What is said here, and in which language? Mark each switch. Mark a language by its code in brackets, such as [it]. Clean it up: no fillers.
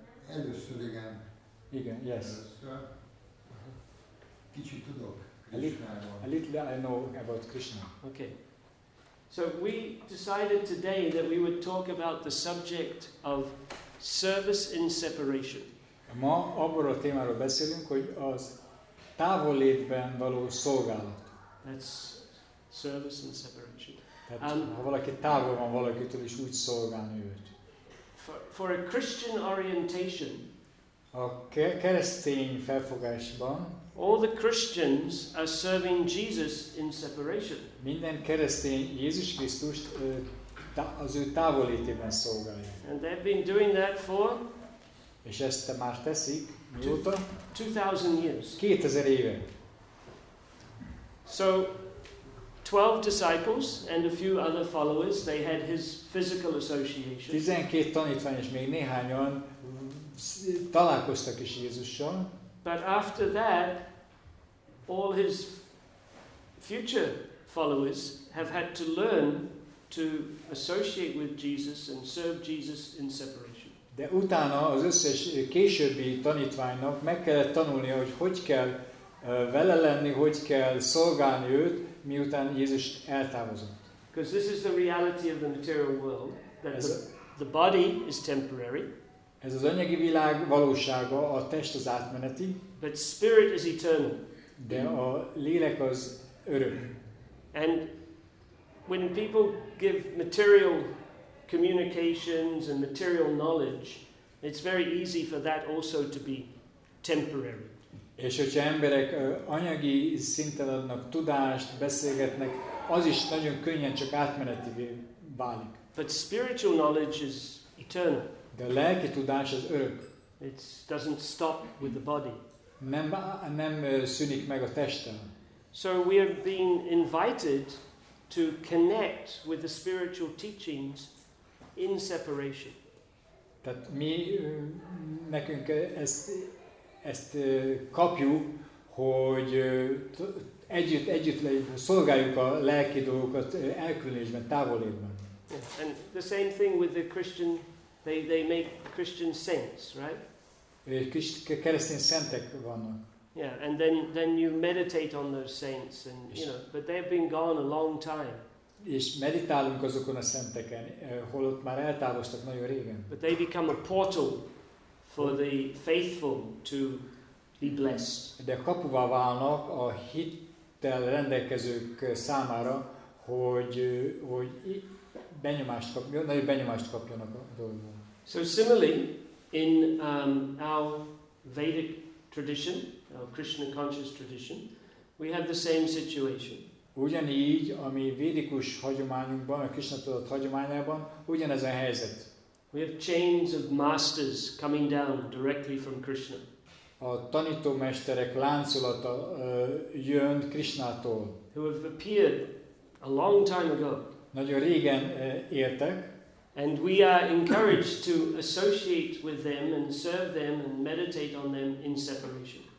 [hu] Először, igen. Igen, [en] yes. [hu] Kicsit tudok. [en] A little I know about Krishna. Okay. So we decided today that we would talk about the subject of service in separation. [hu] Ma abban a témáról beszélünk, hogy az távollétben való szolgálat. [en] That's service in separation. [hu] Tehát, ha valaki távol van valakitől, és úgy szolgálni őt. [en] For a Christian orientation, [hu] a keresztény felfogásban, [en] all the Christians are serving Jesus in separation. [hu] Minden keresztény Jézus Krisztust az ő távolítében szolgálja. [en] And they've been doing that for? [hu] És ezt már teszik, mióta? [en] 2000 years. [hu] 2000 éve. [en] So, 12 disciples and a few other followers, they had his physical association. [hu] 12 tanítvány és még néhányan találkoztak is Jézussal. [en] But after that, all his future followers have had to learn to associate with Jesus and serve Jesus in separation. [hu] De utána az összes későbbi tanítványnak meg kellett tanulnia, hogy kell vele lenni, hogy kell szolgálni őt, miután Jézus eltávozott. [en] Because this is the reality of the material world, that the body is temporary. [hu] Ez az anyagi világ valósága, a test az átmeneti. [en] But spirit is eternal. [hu] De a lélek az örök. [en] And when people give material communications and material knowledge, it's very easy for that also to be temporary. [hu] És hogyha emberek anyagi szinten adnak tudást, beszélgetnek, az is nagyon könnyen csak átmeneti válik. [en] But spiritual knowledge is eternal. [hu] De a lelki tudás az örök. [en] It doesn't stop with the body. [hu] Nem szűnik meg a testen. [en] So we have been invited to connect with the spiritual teachings in separation. [hu] Tehát mi nekünk ezt kapjuk, hogy együtt szolgáljuk a lelki dolgokat elkülönésben, távolében. [en] Yeah. And the same thing with the Christian. They make Christian saints, right? [hu] Keresztény szentek vannak. [en] Yeah, and then you meditate on those saints, and you know, but they've been gone a long time. [hu] És meditálunk azokon a szenteken, holott már eltávoztak nagyon régen. [en] But they become a portal for the faithful to be blessed. [hu] De kapuvá válnak a hittel rendelkezők számára, hogy benyomást kapjon, nagy benyomást kapjanak a dolgokon. [en] So similarly, in our Vedic tradition, our Krishna conscious tradition, we have the same situation. [hu] Ugyanígy, ami védikus hagyományunkban, a Krishna tudat hagyományában, ugyanez a helyzet. [en] We have chains of masters coming down directly from Krishna. [hu] A tanító mesterek láncolata jön Krishnától. [en] Who have appeared a long time ago. [hu] Nagyon régen éltek. [en] And we are encouraged to associate with them and serve them and meditate on them in separation.